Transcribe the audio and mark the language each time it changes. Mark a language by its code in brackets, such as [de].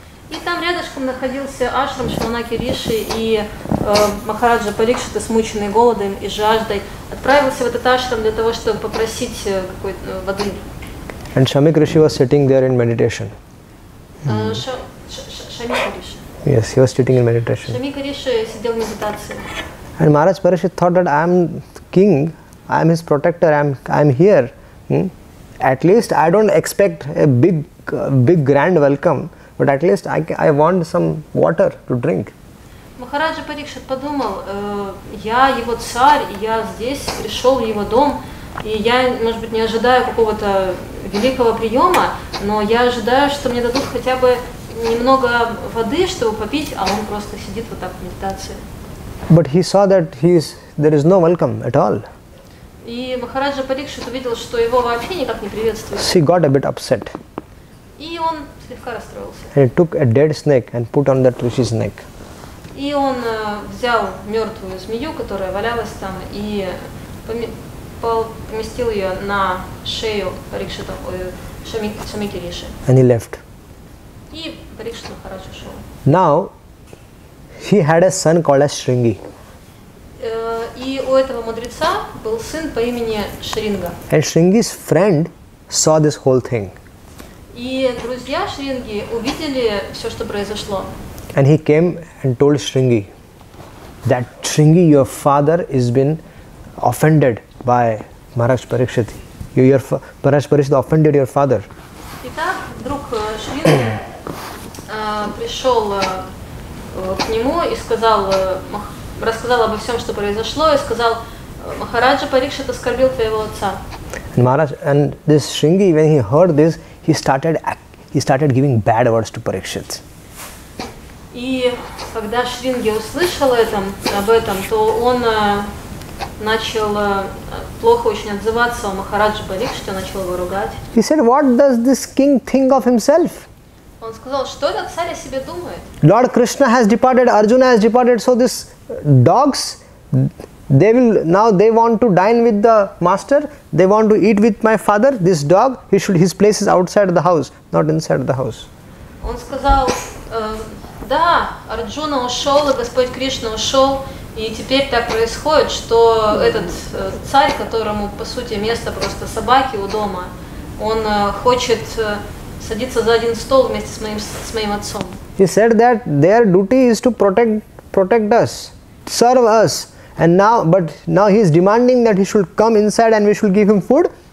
[ru] И там рядышком находился ашрам Шванаки Риши, и Махараджа Парикшит, смученный голодом и жаждой, отправился в этот ашрам для того, чтобы попросить какой-то воды. [en] And Shamik Rishi was sitting there in meditation. Yes, he was sitting in meditation. And Maharaj Parikshit thought that I am king, I am his protector, I am here. At least I don't expect a big grand welcome, but at least I want some water to drink. [ru] Maharaj Parikshit подумал, я его царь, я здесь пришел в его дом, и я, может быть, не ожидаю какого-то великого приема, но я ожидаю, что мне дадут хотя бы немного воды, чтобы попить, а он просто сидит вот так в медитации. [en] But he saw that there is no welcome at all. [ru] И Махараджа Парикшит увидел, что его вообще никак не приветствуют. [en] So he got a bit upset. [ru] И он слегка расстроился. [en] And he took a dead snake and put on that rishi's neck. [ru] И он взял мертвую змею, которая валялась там, и поместил ее на шею Парикшита, Шамики Риши. [en] And he left. [ru] И Парикшит Махарадж ушел. [en] Now, he had a son called as Шринги. [ru] И у этого мудреца был сын по имени Шринга. [en] And Шринги's friend saw this whole thing. [ru] И друзья Шринги увидели все, что произошло. [en] And he came and told Шринги that Шринги, your father has been offended by Maharaj Parikshit. Maharaj Parikshit offended your father. [ru] Итак, друг Шринги пришел к нему и сказал, рассказал обо всем, что произошло, и сказал: Махараджа Парикшит оскорбил твоего отца. [en] And this Шринги, when he heard this, he started giving bad words to Parikshit. [ru] И когда Шринги услышал об этом, то он начал плохо очень отзываться о Махараджи Парикшите, начал его ругать. [en] He said, what does this king think of himself? [ru] Он сказал, что этот царь о себе думает? [en] Lord Krishna has departed, Arjuna has departed, so these dogs, they will, now they want to dine with the master, they want to eat with my father, this dog, he should, his place is outside the house, not inside the house. [ru] Он сказал, да, Арджуна ушел, и Господь Кришна ушел, и теперь так происходит, что этот царь, которому по сути место просто собаки у дома, он хочет садиться за один стол вместе с моим отцом. [en] He said that their duty is to protect us, serve us. And now, but now he is demanding that he should come inside and we should give him food.